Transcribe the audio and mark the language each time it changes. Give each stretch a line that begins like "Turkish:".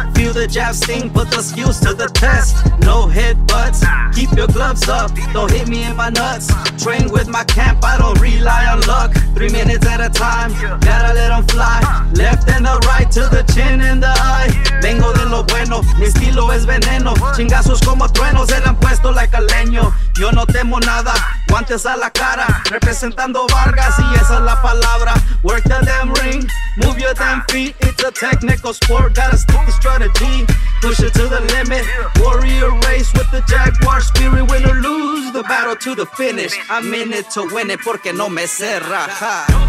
English: Feel the jab sting, put the skills to the test. No headbutts, keep your gloves up. Don't hit me in my nuts. Train with my camp, I don't rely on luck. 3 minutes at a time, gotta let them fly. Left and the right, to the chin and the eye.
Spanish: Vengo de lo bueno, mi estilo es veneno. Chingazos como truenos, se le han puesto like a leño. Yo no temo nada, guantes a la cara. Representando Vargas, y esa es la palabra.
English: Work the damn ring, move your damn feet. It's a technical sport, got a sticky strategy. Push it to the limit, warrior race with the Jaguar spirit. Win or lose, the battle to the finish. I'm in it to win it,
Spanish: porque no me sé rajar.